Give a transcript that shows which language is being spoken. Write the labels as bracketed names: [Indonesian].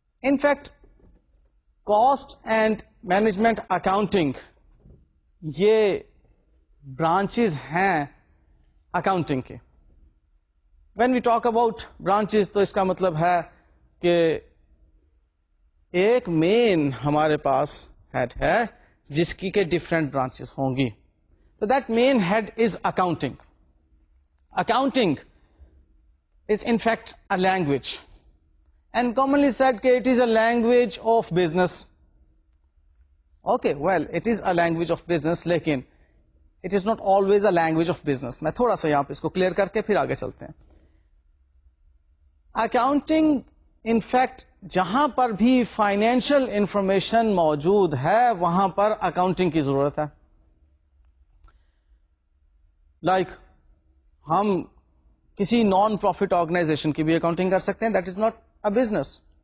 [Urdu] In fact cost and management accounting یہ branches ہیں accounting کے. [English] when we talk about [Urdu] branches تو اس کا مطلب ہے کہ ایک مین ہمارے پاس ہیڈ ہے جس کی کہ ڈفرینٹ برانچز ہوں گی. [English] تو that main head is accounting. Accounting is in fact a language, and commonly said کہ it is a language of business. Okay, well it is a language of business, لیکن it is not always a language of business. [Urdu] میں تھوڑا سا یہاں پہ اس کو clear کر کے پھر آگے چلتے ہیں. اکاؤنٹنگ ان فیکٹ جہاں پر بھی فائنینشیل انفارمیشن موجود ہے وہاں پر اکاؤنٹنگ کی ضرورت ہے. لائک ہم کسی نان پروفٹ آرگنائزیشن کی بھی اکاؤنٹنگ کر سکتے ہیں، [English] That is not a business.